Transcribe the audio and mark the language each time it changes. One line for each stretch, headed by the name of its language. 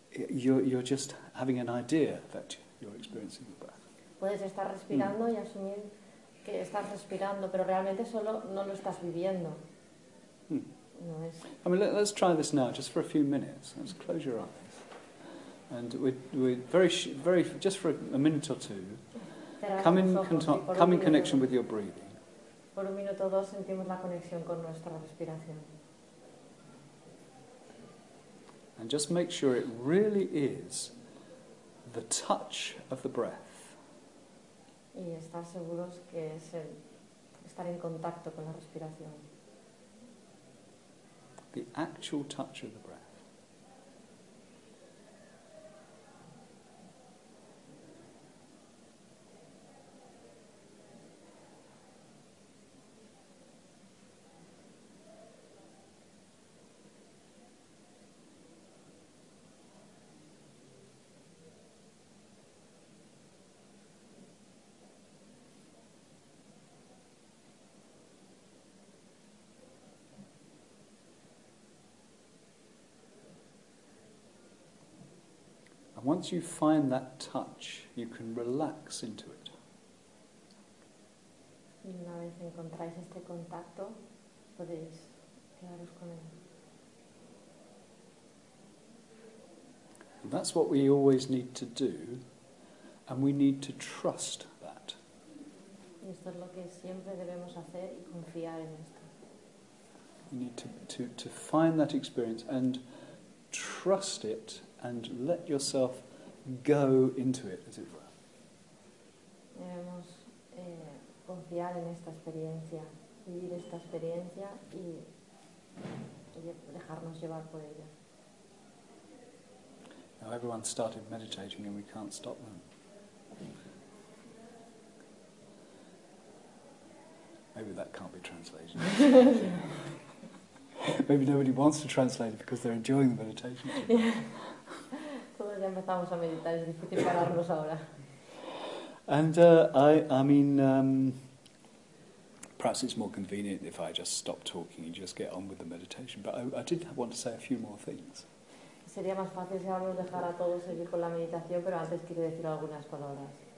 English: You're just having an idea that you're experiencing the breath.
Spanish: Puedes estar respirando y asumir que estás respirando, pero realmente solo no lo estás viviendo.
English: I mean, let's try this now, just for a few minutes. Let's close your eyes, and we just for a minute or two, come in connection with your breathing.
Spanish: Por un minuto o dos sentimos la conexión con nuestra respiración.
English: And just make sure it really is the touch of the breath.
Spanish: Y estar seguros que es el estar en contacto con la respiración.
English: The actual touch of the breath. Once you find that touch, you can relax into it.
Spanish: Y una vez encontráis este contacto, podéis quedaros con él.
English: And that's what we always need to do, and we need to trust that.
Spanish: Y esto es lo que siempre debemos hacer y confiar en esto.
English: You need to find that experience and trust it and let yourself go into it, as it were.
Spanish: Debemos confiar en esta experiencia, vivir esta experiencia y dejarnos llevar por ella.
English: Now everyone started meditating and we can't stop them. Maybe that can't be translated. Maybe nobody wants to translate it because they're enjoying the meditation.
Spanish: Todos ya empezamos a meditar, es difícil pararnos ahora.
English: And I mean, perhaps it's more convenient if I just stop talking and just get on with the meditation. But I did want to say a few more things.
Spanish: Sería más fácil si vamos a dejar a todos seguir con la meditación, pero antes quiero decir algunas palabras.